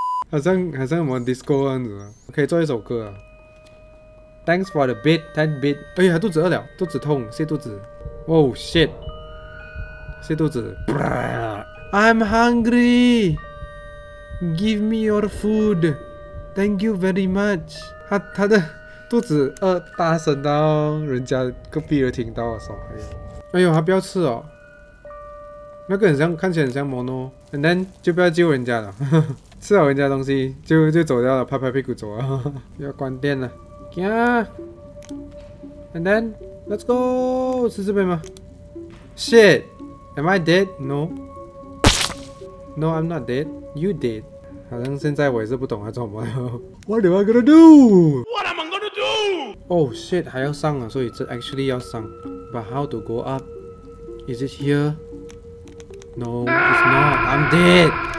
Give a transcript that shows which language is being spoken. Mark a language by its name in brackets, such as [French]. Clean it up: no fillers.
[Chinese] 好像玩 disco 这样子，可以做一首歌啊。 [English] Thanks for the beat， ten beat， [Chinese] 哎呀，肚子饿了，肚子痛，泻肚子 ，Oh shit， 泻肚子 ， [English] I'm hungry。 Give me your food. Thank you very much. [Chinese] 他的肚子饿，大声到人家隔壁都听到了，傻逼。哎呦，他不要吃哦。那个很像，看起来很像 mono， and then 就不要救人家了。吃了人家东西就走掉了，拍拍屁股走了。要关店了，行。 [English] And then let's go， [Chinese] 是这边吗 [English] ？Shit， am I dead？ No， no， I'm not dead。You did， [Chinese] 好像现在我也是不懂他做什么。 [English] What am I gonna do？ What am I gonna do？ [Chinese] Oh shit， 还要上啊，所以这 actually 要上。 [English] But how to go up？ Is it here？ No， it's not。 I'm dead。